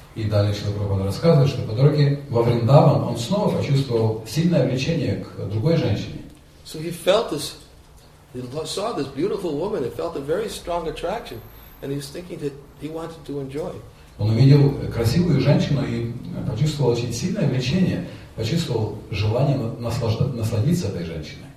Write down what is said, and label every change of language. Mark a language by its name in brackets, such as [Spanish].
[Russian] И дальше Прабхупада рассказывает, что по дороге во Вриндаван он снова почувствовал сильное влечение к другой женщине. [English] So he felt this, he saw this beautiful woman and felt a very strong attraction, and he was thinking that he wanted to enjoy. [Russian] Он увидел красивую женщину и почувствовал очень сильное влечение, почувствовал желание насладиться этой женщиной.